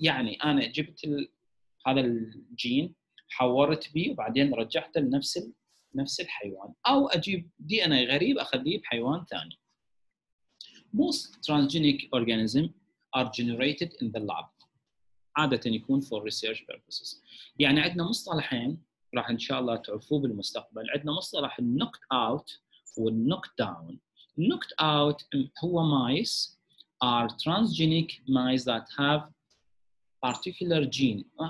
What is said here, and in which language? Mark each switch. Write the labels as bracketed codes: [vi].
[ar] يعني أنا جبت هذا الجين حورت به وبعدين رجعت لنفس نفس الحيوان أو أجيب DNA غريب أخليه بحيوان ثاني. [en] Most transgenic organisms are generated in the lab. [ar] عادة يكون [en] for research purposes. [ar] يعني عندنا مصطلحين راح إن شاء الله تعرفوه بالمستقبل. عندنا مصطلح knocked out والknocked down. [en] Knocked out هو mice are transgenic mice that have particular gene.